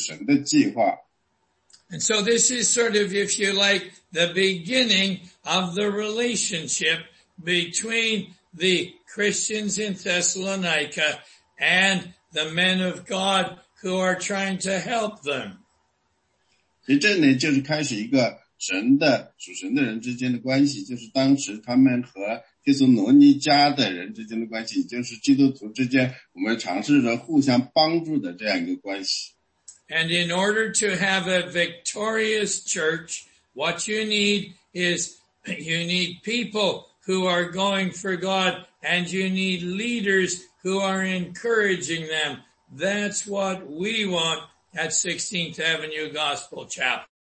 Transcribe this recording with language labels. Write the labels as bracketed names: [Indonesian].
[Chinese] 我只知道你的名字，或者只知道你的图片，然后我从来没见过你们的面，但是我们还是为你们祷告。我们的计划呢，就是为每一个人祷告，这就是这也是神的计划。 [English] And so this is sort of, if you like, the beginning of the relationship between the Christians in Thessalonica and the men of God who are trying to help them. [Chinese] 这里就是开始一个神的属神的人之间的关系，就是当时他们和帖撒罗尼迦的人之间的关系，就是基督徒之间我们尝试着互相帮助的这样一个关系。 [English] And in order to have a victorious church, what you need is you need people who are going for God, and you need leaders who are encouraging them. That's what we want at 16th Avenue Gospel Chapel.